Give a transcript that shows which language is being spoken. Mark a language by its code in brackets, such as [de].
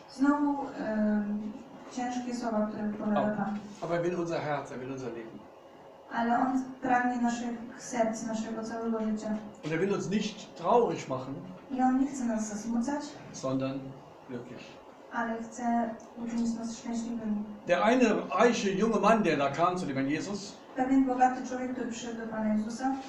[pl] Znowu ciężkie słowa, które powiada Pan. [de] Aber er will unser Herz, er will unser Leben. [pl] Ale On pragnie naszych serc, naszego całego życia. [de] Und er will uns nicht traurig machen. [pl] I On nie chce nas zasmucać. [de] Sondern glücklich. [pl] Ale chce uczynić nas szczęśliwymi. [de] Der eine reiche junge Mann, der da kam zu dem Jesus. [pl] Pewien bogaty człowiek, który przyszedł do Pana Jezusa.